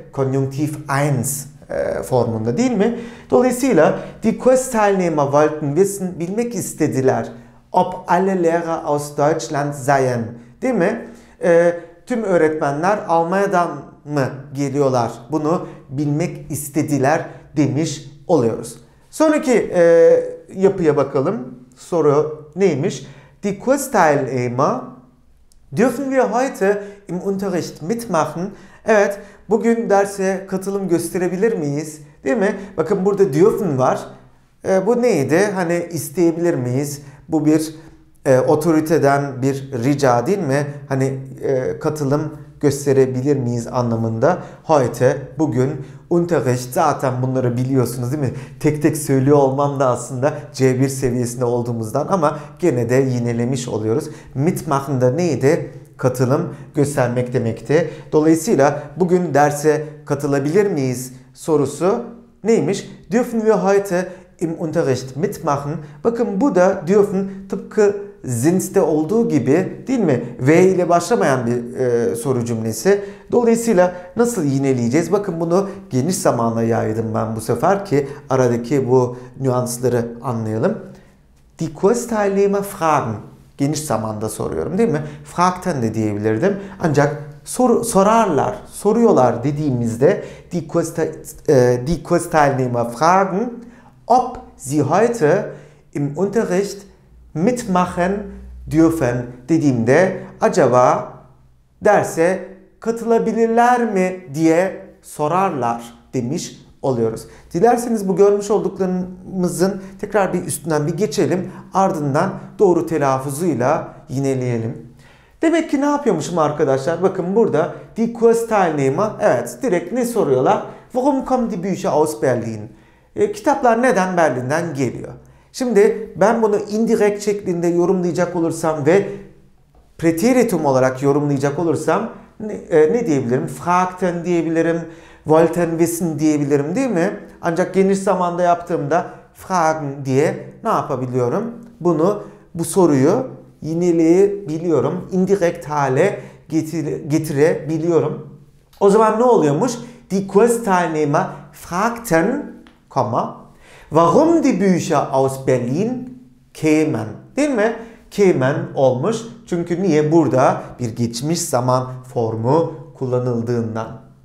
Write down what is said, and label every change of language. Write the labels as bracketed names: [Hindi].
[Turkish] Konjunktiv 1 formunda, değil mi? Dolayısıyla [German] die Kursteilnehmer wollten wissen, [Turkish] bilmek istediler [German] ob alle Lehrer aus Deutschland seien, [Turkish] değil mi? Tüm öğretmenler Almanya'dan mı geliyorlar? Bunu bilmek istediler demiş oluyoruz. Sonraki yapıya bakalım. Soru neymiş? [German] Die Kursteilnehmer dürfen wir heute im Unterricht mitmachen? [Turkish] Evet, bugün derse katılım gösterebilir miyiz? Değil mi? Bakın burada dürfen var. Bu neydi? Hani isteyebilir miyiz? Bu bir otoriteden bir rica, değil mi? Hani katılım gösterebilir miyiz anlamında. Heute, bugün, Unterricht, zaten bunları biliyorsunuz değil mi? Tek tek söylüyor olmam da aslında C1 seviyesinde olduğumuzdan ama gene de yinelemiş oluyoruz. Mitmachen da neydi? Katılım göstermek demekti. Dolayısıyla bugün derse katılabilir miyiz sorusu neymiş? [German] Dürfen wir heute im Unterricht mitmachen? [Turkish] Bakın bu da dürfen tıpkı sind'de olduğu gibi, değil mi? W ile başlamayan bir soru cümlesi. Dolayısıyla nasıl yineleyeceğiz? Bakın bunu geniş zamana yaydım ben bu sefer ki aradaki bu nüansları anlayalım. [German] Die Kursteilnehmer fragen. [Turkish] Geniş zamanda soruyorum, değil mi? Fragten de diyebilirdim. Ancak sorarlar, soruyorlar dediğimizde [German] die Kursteilnehmer fragen ob sie heute im Unterricht mitmachen dürfen [Turkish] dediğimde acaba derse katılabilirler mi diye sorarlar demiş oluyoruz. Dilerseniz bu görmüş olduklarımızın tekrar bir üstünden bir geçelim. Ardından doğru telaffuzuyla yineleyelim. Demek ki ne yapıyormuşum arkadaşlar? Bakın burada die Kursteilnehmer, evet, direkt ne soruyorlar? [German] Warum kommen die Bücher aus Berlin? [Turkish] Kitaplar neden Berlin'den geliyor? Şimdi ben bunu indirekt şeklinde yorumlayacak olursam ve preteritum olarak yorumlayacak olursam ne diyebilirim? Fragten diyebilirim. [German] Wollten wissen [Turkish] diyebilirim, değil mi? Ancak geniş zamanda yaptığımda fragen diye ne yapabiliyorum? Bunu, bu soruyu yineleyebiliyorum. Indirekt hale getirebiliyorum. O zaman ne oluyormuş? [German] Die Kursteilnehmer fragten, warum die Bücher aus Berlin kämen, [Turkish] değil mi? Kämen olmuş. Çünkü niye? Burada bir geçmiş zaman formu kullanıldığından.